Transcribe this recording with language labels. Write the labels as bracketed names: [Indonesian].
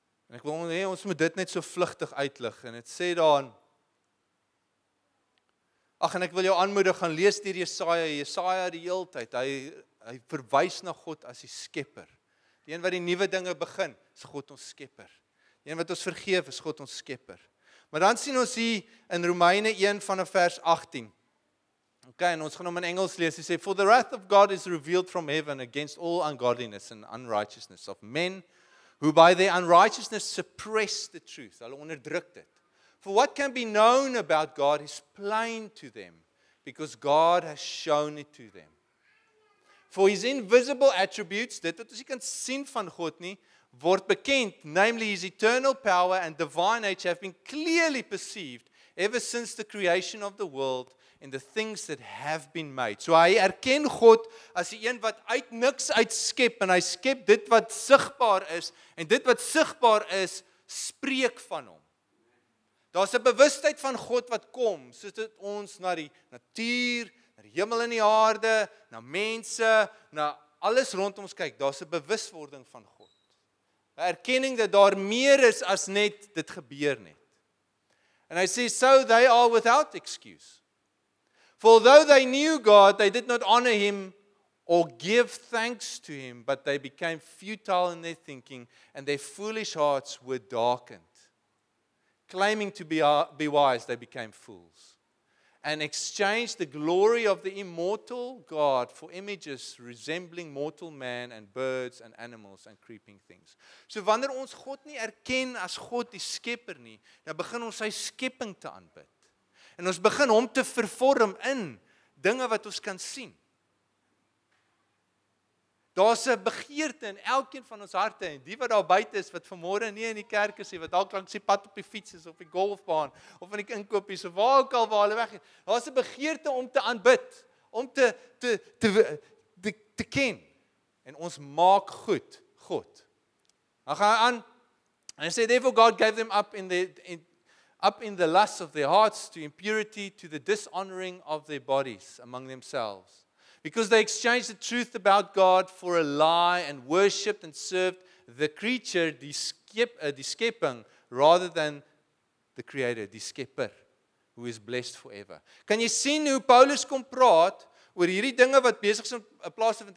[Afrikaans] En ek wil hê, ons moet dit net so vlugtig uitlig. En het sê daar, ach, en ek wil jou aanmoedig, gaan lees die Jesaja, Jesaja die heel tyd, hy verwys na God as die skepper. Die een wat die nuwe dinge begin, is God ons skepper. Die een wat ons vergeef, is God ons skepper. Maar dan sien ons hier in Romeine 1 vanaf vers 18. Okay, en ons gaan hom in Engels lees. Hy sê, [English] for the wrath of God is revealed from heaven against all ungodliness and unrighteousness of men who by their unrighteousness suppress the truth. [Afrikaans] Hulle onderdruk dit. [English] For what can be known about God is plain to them because God has shown it to them. For his invisible attributes, [Afrikaans] dit wat ons nie kan sien van God nie, word bekend, [English] namely his eternal power and divine nature have been clearly perceived ever since the creation of the world and the things that have been made. [Afrikaans] So hy erken God as die een wat uit niks uitskep en hy skep dit wat sigbaar is en dit wat sigbaar is, spreek van hom. Daar is 'n bewustheid van God wat kom, soos dit ons na die natuur, hemel en die aarde, na mense, na alles rond ons kyk, daar is 'n bewuswording van God. Een erkenning dat daar meer is as net, dit gebeur net. En hy sê, [English] so they are without excuse. For although they knew God, they did not honor him or give thanks to him, but they became futile in their thinking and their foolish hearts were darkened. Claiming to be wise, they became fools. And exchange the glory of the immortal God for images resembling mortal man and birds and animals and creeping things. [Afrikaans] So wanneer ons God nie erken as God die skepper nie, dan begin ons sy skepping te aanbid. En ons begin hom te vervorm in dinge wat ons kan sien. Daar's 'n begeerte in elkeen van ons harte en die wat daar buite is wat vanmôre nie in die kerk is nie, wat dalk langs die pad op die fiets is of die golfbaan of in die inkopies of waar ook al waar hulle weg is. Daar's 'n begeerte om te aanbid, om te ken. En ons maak goed God. Dan gaan hy aan. En hy sê [English] therefore God gave them up in the lust of their hearts to impurity to the dishonoring of their bodies among themselves. Because they exchanged the truth about God for a lie and worshipped and served the creature, [Afrikaans] die skepping, [English] rather than the creator, [Afrikaans] die skepper, [English] who is blessed forever. [Afrikaans] Kan jy sien hoe Paulus kom praat oor hierdie dinge wat besig is om 'n plaas te vind?